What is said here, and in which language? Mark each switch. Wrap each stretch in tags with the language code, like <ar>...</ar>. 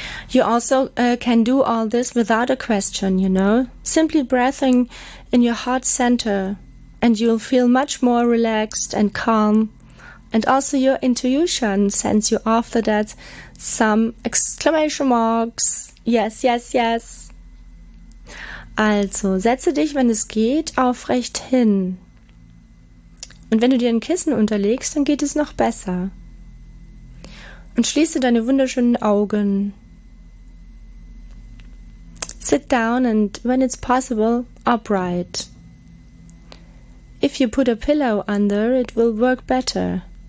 <en>You also can do all this without a question, you know. Simply breathing in your heart center and you'll feel much more relaxed and calm. And also your intuition sends you after that some exclamation marks. Yes, yes, yes.</en> <de>Also, setze dich, wenn es geht, aufrecht hin. Und wenn du dir ein Kissen unterlegst, dann geht es noch besser. Und schließe deine wunderschönen Augen.</de> <en>Sit down and, when it's possible, upright. If you put a pillow under, it will work better.</en>